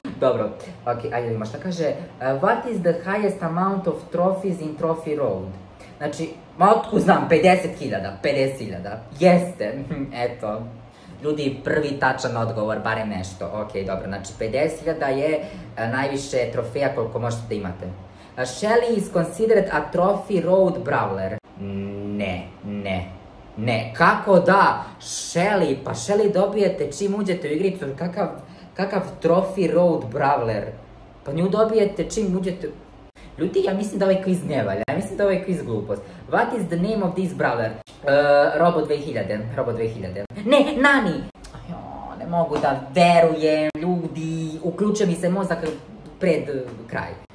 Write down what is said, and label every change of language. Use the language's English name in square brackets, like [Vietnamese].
[Serbian] Dobro, okej, ajde vidimo šta kaže. [English] What is the highest amount of trophies in Trophy Road? [Serbian] Znači, ma otku znam, 50.000, jeste, eto. Ljudi, prvi tačan odgovor, barem nešto. Okej, dobro, znači 50.000 je najviše trofeja koliko možete da imate. [English] Shelly is considered a Trophy Road brawler. [Serbian] Ne. Kako da? Shelly, pa Shelly dobijete čim uđete u igricu, kakav Trophy Road brawler? Pa nju dobijete čim uđete... Ljudi, ja mislim da ovaj quiz ne valja, ja mislim da ovaj quiz glupost. [English] What is the name of this brawler? [Serbian] Robo 2000. Ne, Nani! Ne mogu da verujem, ljudi, uključe mi se mozak pred kraj.